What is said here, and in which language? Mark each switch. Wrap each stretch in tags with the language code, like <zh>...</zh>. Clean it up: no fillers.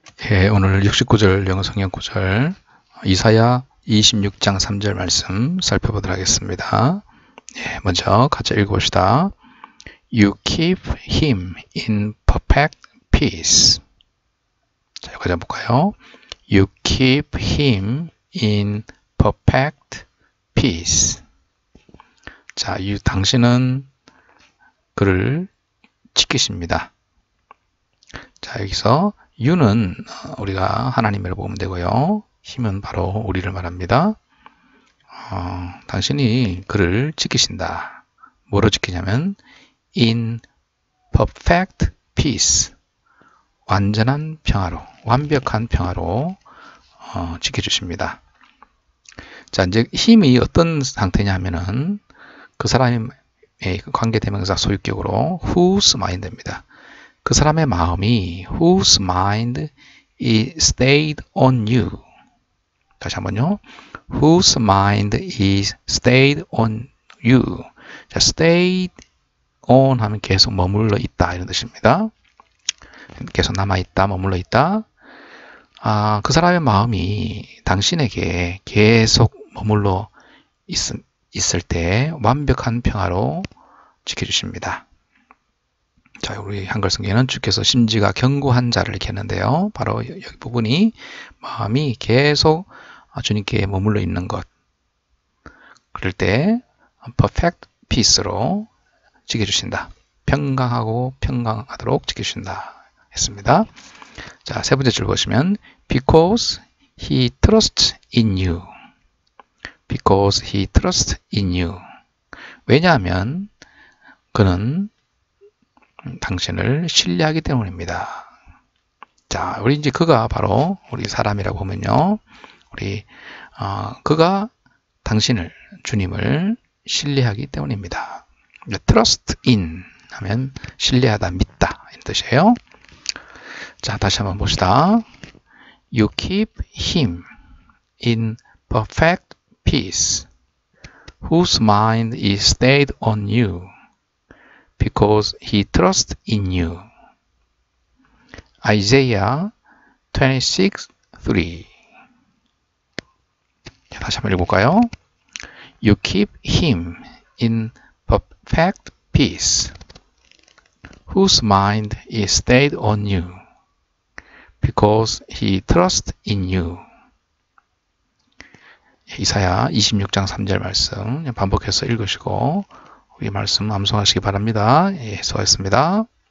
<ko>예, 오늘 69절 영어성경구절 이사야 26장 3절 말씀 살펴보도록 하겠습니다. 예, 먼저 같이 읽어봅시다.</ko> <en>You keep him in perfect peace.</en> <ko>자, 여기 한번 볼까요?</ko> <en>You keep him in perfect peace.</en> <ko>자, 당신은 그를 지키십니다. 자, 여기서 유는 우리가 하나님이라고 보면 되고요. 힘은 바로 우리를 말합니다. 당신이 그를 지키신다. 뭐로 지키냐면</ko> <en>in perfect peace.</en> <ko>완전한 평화로, 완벽한 평화로 지켜주십니다. 자, 이제 힘이 어떤 상태냐 하면은 그 사람의 관계대명사 소유격으로</ko> <en>whose mind</en> <ko>입니다. 그 사람의 마음이</ko> <en>whose mind is stayed on you.</en> <ko>다시 한번요.</ko> <en>whose mind is stayed on you.</en> <ko>자, stayed on 하면 계속 머물러 있다 이런 뜻입니다. 계속 남아 있다, 머물러 있다. 아, 그 사람의 마음이 당신에게 계속 머물러 있을 때 완벽한 평화로 지켜주십니다. 자, 우리 한글 성경에는 주께서 심지가 견고한 자를 이렇게 했는데요. 바로 여기 부분이 마음이 계속 주님께 머물러 있는 것. 그럴 때</ko> <en>perfect peace</en> <ko>로 지켜주신다. 평강하고 평강하도록 지켜주신다 했습니다. 자, 세 번째 줄 보시면</ko> <en>because he trusts in you. because he trusts in you.</en> <ko>왜냐하면 그는 당신을 신뢰하기 때문입니다. 자, 우리 이제 그가 바로 우리 사람이라고 보면요. 우리, 그가 당신을, 주님을 신뢰하기 때문입니다. trust in 하면 신뢰하다, 믿다. 이런 뜻이에요. 자, 다시 한번 봅시다.</ko> <en>You keep him in perfect peace, whose mind is stayed on you. Because he trusts in you. Isaiah 26:3.</en> <ko>다시 한번 읽어볼까요?</ko> <en>You keep him in perfect peace, whose mind is stayed on you. Because he trusts in you.</en> <ko>이사야 26장 3절 말씀 반복해서 읽으시고, 우리 말씀 암송하시기 바랍니다. 예, 수고하셨습니다.</ko>